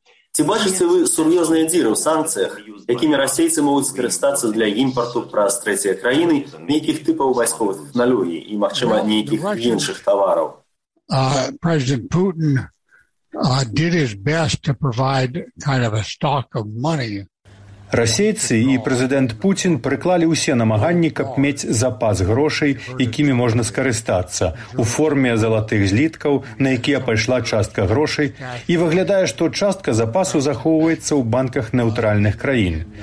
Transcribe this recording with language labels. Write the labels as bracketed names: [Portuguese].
[Belarusian] Ці бачыце вы сур'ёзныя дзіры ў санкцыях, якімі расейцы могуць скарыстацца для імпарту праз трэція краіны нейкіх тыпаў вайсковых тэхналогій і, магчыма, нейкіх іншых тавараў? Президент Путін... [English] did his best to provide kind of a stock of money. [Belarusian] Расейцы і прэзідэнт Пуцін прыклалі ўсе намаганні, каб мець запас грошай, якімі можна скарыстацца, у форме залатых зліткаў, на якія пайшла частка грошай, і выглядае, што частка запасу захоўваецца ў банках неўтральных краін.